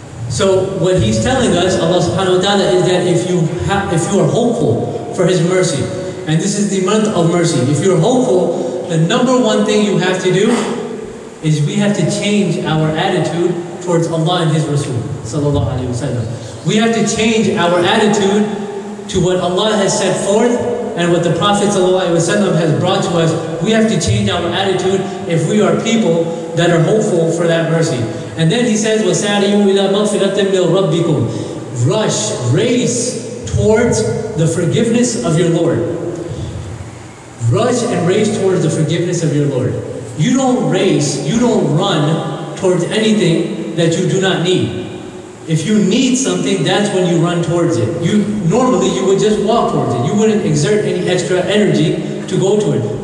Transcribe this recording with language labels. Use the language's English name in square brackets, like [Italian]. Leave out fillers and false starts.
[English] So what He's telling us, Allah subhanahu wa ta'ala, is that if you are hopeful for His mercy, and this is the month of mercy, if you're hopeful, the number one thing you have to do is we have to change our attitude towards Allah and His Rasul, sallallahu alayhi wa sallam. We have to change our attitude to what Allah has set forth and what the Prophet ﷺ has brought to us. We have to change our attitude if we are people that are hopeful for that mercy. And then He says, [Arabic] وَسَارِيُوا إِلَىٰ مَغْفِرَةٍ مِّن رَبِّكُمْ. [English] Rush, race towards the forgiveness of your Lord. Rush and race towards the forgiveness of your Lord. You don't race, you don't run towards anything that you do not need. If you need something, that's when you run towards it. Normally you would just walk towards it. You wouldn't exert any extra energy to go to it.